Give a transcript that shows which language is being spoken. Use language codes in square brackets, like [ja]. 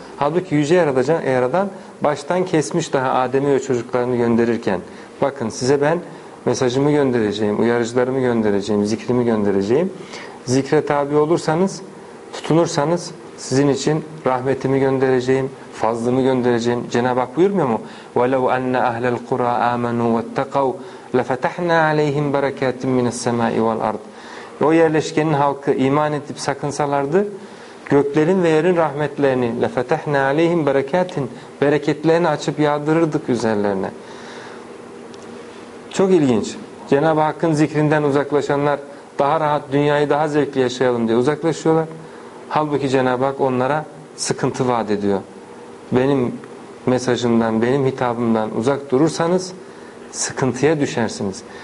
[tr] Halbuki Yüce Yaradan baştan kesmiş daha Adem'i ve çocuklarını gönderirken, bakın size ben mesajımı göndereceğim, uyarıcılarımı göndereceğim, zikrimi göndereceğim. Zikre tabi olursanız, tutunursanız sizin için rahmetimi göndereceğim, fazlımı göndereceğim. Cenab-ı Hak buyurmuyor mu? [ar] وَلَوْ أَنَّ أَهْلَ الْقُرَى آمَنُوا وَاتَّقَوْا لَفَتَحْنَا عَلَيْهِمْ بَرَكَاتٍ مِنَ السَّمَاءِ وَالْأَرْضِ O yerleşkenin halkı iman edip sakınsalardı, göklerin ve yerin rahmetlerini لَفَتَحْنَا عَلَيْهِمْ بَرَكَاتٍ Bereketlerini açıp yağdırırdık üzerlerine. [tr] Çok ilginç. Cenab-ı Hakk'ın zikrinden uzaklaşanlar daha rahat, dünyayı daha zevkli yaşayalım diye uzaklaşıyorlar. Halbuki Cenab-ı Hak onlara sıkıntı vaat ediyor. Benim mesajımdan, benim hitabımdan uzak durursanız sıkıntıya düşersiniz.